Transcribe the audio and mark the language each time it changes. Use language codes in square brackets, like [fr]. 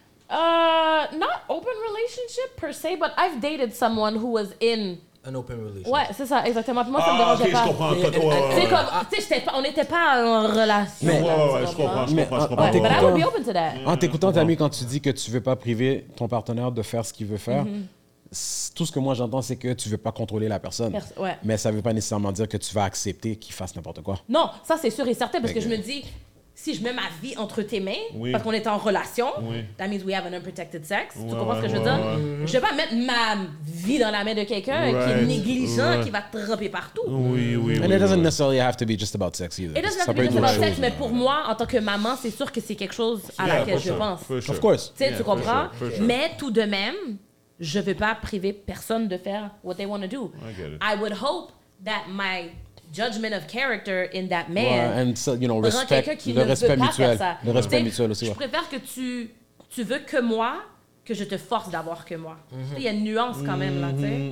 [en] Not open relationship per se, but I've dated someone who was in an open relationship. [fr] Ouais, c'est ça, exactement. Puis moi, ça me dérangeait pas. Je comprends. C'est comme, tu sais, on n'était pas en relation. Mais je comprends. [en] But I would be open to that. [fr] En t'écoutant, Tammy, quand tu dis que tu veux pas priver ton partenaire de faire ce qu'il veut faire. Tout ce que moi j'entends, c'est que tu veux pas contrôler la personne. Mais ça veut pas nécessairement dire que tu vas accepter qu'il fasse n'importe quoi. Non, ça c'est sûr et certain, parce que je me dis, si je mets ma vie entre tes mains, parce qu'on est en relation, [en] that means we have an unprotected sex. [fr] Ouais, tu comprends ce que je veux dire? Je vais pas mettre ma vie dans la main de quelqu'un qui est négligent, qui va te tromper partout. [en] It doesn't necessarily have to be just about sex either. It doesn't have to be just about sex, [fr] mais pour moi, en tant que maman, c'est sûr que c'est quelque chose à laquelle je pense. [en] Of course. [fr] Tu comprends? Mais tout de même, je ne veux pas priver personne de faire [en] what they want to do. I would hope that my judgment of character in that man and so, you know, respect, [fr] qui le ne respect mutuel, pas faire ça. Le respect mutuel aussi. Je préfère que tu veux que moi, que je te force d'avoir que moi. Il y a une nuance quand même là, tu sais.